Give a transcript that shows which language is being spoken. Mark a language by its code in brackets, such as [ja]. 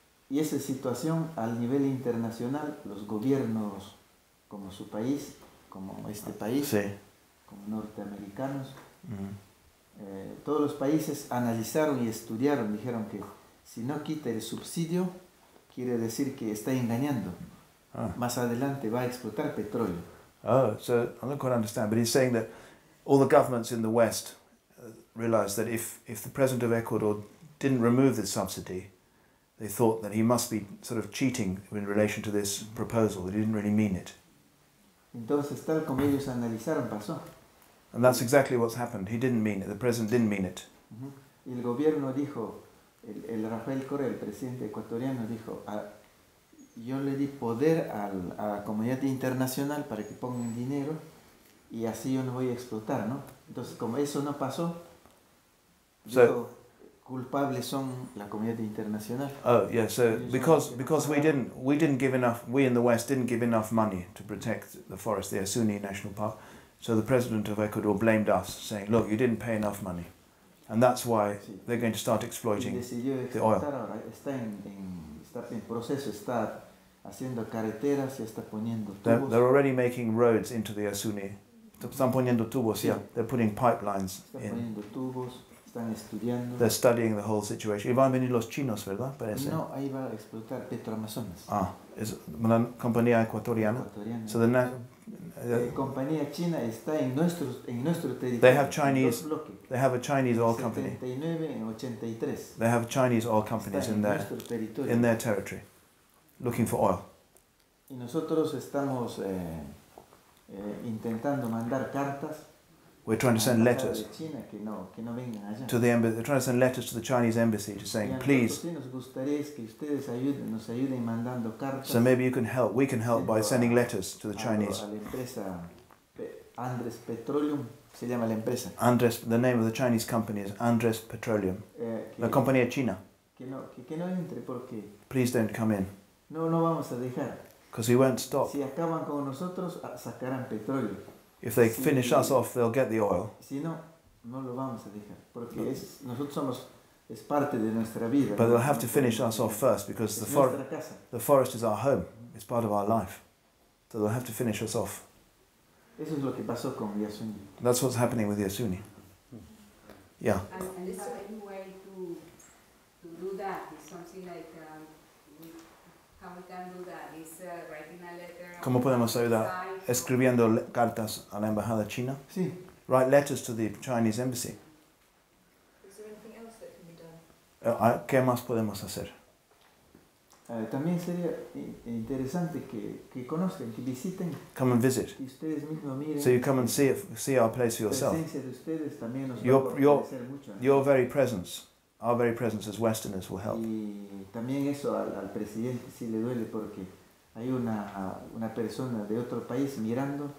[es] Y esa situación al nivel internacional, los gobiernos como su país, como este país, sí, como norteamericanos, mm-hmm, todos los países analizaron y estudiaron, dijeron que si no quita el subsidio, quiere decir que está engañando. Ah. Más adelante va a explotar petróleo. [en] Oh, so I don't quite understand, but he's saying that all the governments in the West realized that if the president of Ecuador didn't remove this subsidy, they thought that he must be sort of cheating in relation to this proposal, that he didn't really mean it. [es] Entonces, tal como ellos analizaron, pasó. [en] And that's exactly what's happened. He didn't mean it. The president didn't mean it. Uh-huh. [es] Y el gobierno dijo, el Rafael Correa, el presidente ecuatoriano, dijo, yo le di poder a la comunidad internacional para que pongan dinero y así yo no voy a explotar, ¿no? Entonces, como eso no pasó, [en] so, [es] dijo, culpables son la comunidad internacional. [en] Oh, yeah, so because we didn't give enough, we in the West didn't give enough money to protect the forest, the Yasuni National Park, so the president of Ecuador blamed us, saying, look, you didn't pay enough money. And that's why they're going to start exploiting the oil. [es] Ahora, está en proceso, está haciendo carreteras y está poniendo tubos. [en] They're already making roads into the Yasuni. [es] Están poniendo tubos, sí. [en] Yeah. They're putting pipelines [es] in. Poniendo tubos, están estudiando. [en] They're studying the whole situation. [es] Y van a venir los chinos, ¿verdad? Parece. No, ahí va a explotar Petro Amazonas. Ah, es una compañía ecuatoriana. Ecuatoriana. So the na- La compañía china está en nuestro territorio. [en] They have Chinese. They have a Chinese oil company. 79 en 83. They have Chinese oil companies in their territory, looking for oil. [es] Y nosotros estamos intentando mandar cartas. [en] We're trying to send letters [es] de China que no vengan allá. [en] To the embassy. They're trying to send letters to the Chinese embassy, just saying, please. [es] Sí, nos gustaría que ustedes nos ayuden mandando cartas. [en] So maybe you can help. We can help by sending letters to the Chinese. [es] A la empresa Andes Petroleum. Se llama la empresa. [en] Andres, the name of the Chinese company is Andres Petroleum. [es] La compañía china. Que no entre porque. [en] Please don't come in. [es] No vamos a dejar. [en] Because he won't stop. [es] Si acaban con nosotros, sacarán petróleo. [en] If they finish us off, they'll get the oil. [es] Si no, no lo vamos a dejar porque no. Nosotros somos. Es parte de nuestra vida. [en] But they'll have to finish us off first because the forest is our home. It's part of our life. So they'll have to finish us off. [es] Eso es lo que pasó con Yasuni. [en] That's what's happening with Yasuni. Yeah. And is there any way to do that? It's something like, how we can do that? Is writing a letter? [es] ¿Cómo podemos ayudar? Escribiendo cartas a la embajada china? Sí. [en] Write letters to the Chinese embassy. [es] ¿Qué más podemos hacer? También sería interesante que conozcan, que visiten. [en] Come and visit. [es] Y ustedes mismos miren. [en] So you come and see our place for yourself. [es] La presencia de ustedes también nos va a parecer mucho. [en] Your very presence, our very presence as Westerners will help. [es] Y también eso al presidente sí le duele porque hay una persona de otro país mirando.